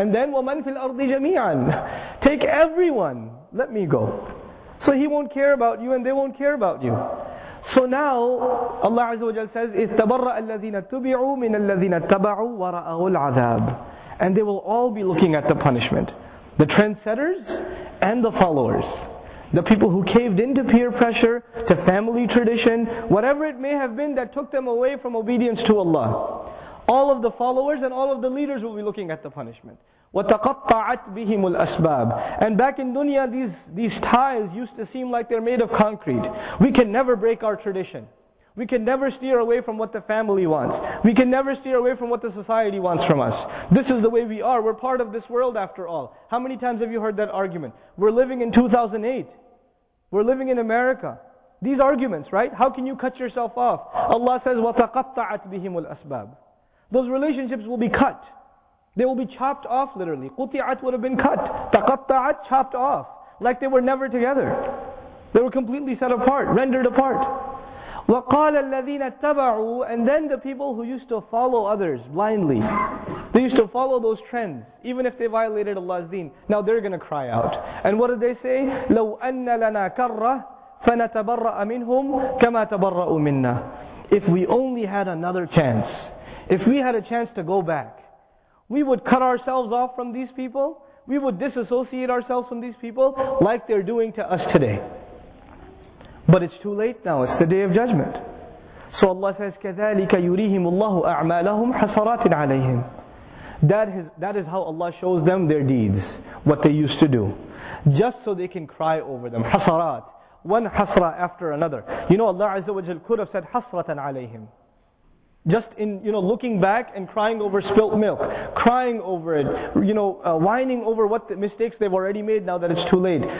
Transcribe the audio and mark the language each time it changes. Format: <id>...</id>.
<en>And then,</en> <ar>وَمَنْ فِي الْأَرْضِ جَمِيعًا.</ar> <en>Take everyone, let me go. So he won't care about you and they won't care about you. So now, Allah Azza wa Jal says,</en> <ar>اِتَّبَرَّأَ الَّذِينَ تُبِعُوا مِنَ الَّذِينَ اتَّبَعُوا وَرَأَهُ الْعَذَابِ.</ar> <en>And they will all be looking at the punishment. The trendsetters and the followers. The people who caved into peer pressure, to family tradition, whatever it may have been that took them away from obedience to Allah. All of the followers and all of the leaders will be looking at the punishment.</en> <ar>وَتَقَطَّعَتْ بِهِمُ الْأَسْبَابِ.</ar> <en>And back in dunya, these ties used to seem like they're made of concrete. We can never break our tradition. We can never steer away from what the family wants. We can never steer away from what the society wants from us. This is the way we are. We're part of this world after all. How many times have you heard that argument? We're living in 2008. We're living in America. These arguments, right? How can you cut yourself off? Allah says,</en> <ar>وَتَقَطَّعَتْ بِهِمُ الْأَسْبَابِ.</ar> <en>Those relationships will be cut. They will be chopped off literally. قُطِعَتْ would have been cut. تَقَطَّعَتْ chopped off. Like they were never together. They were completely set apart, rendered apart.</en> <ar>وَقَالَ الَّذِينَ اتَّبَعُوا.</ar> <en>And then the people who used to follow others blindly. They used to follow those trends, even if they violated Allah's deen. Now they're going to cry out. And what did they say?</en> <ar>لَوْ أَنَّ لَنَا كَرَّةً فَنَتَبَرَّأَ مِنْهُمْ كَمَا تَبَرَّأُوا مِنَّا.</ar> <en>If we only had another chance. If we had a chance to go back. We would cut ourselves off from these people. We would disassociate ourselves from these people like they're doing to us today. But it's too late now. It's the Day of Judgment. So Allah says,</en> <ar>كَذَلِكَ يُرِيهِمُ اللَّهُ أَعْمَالَهُمْ حَسَرَاتٍ عَلَيْهِمْ.</ar> <en>That is how Allah shows them their deeds, what they used to do. Just so they can cry over them.</en> <ar>حَسَرَات.</ar> <en>One حَسْرَة after another. You know, Allah Azza wa Jal could have said,</en> <ar>حَسْرَةً عَلَيْهِمْ.</ar> <en>Just in, you know, looking back and crying over spilt milk, crying over it, you know, whining over what the mistakes they've already made now that it's too late.</en>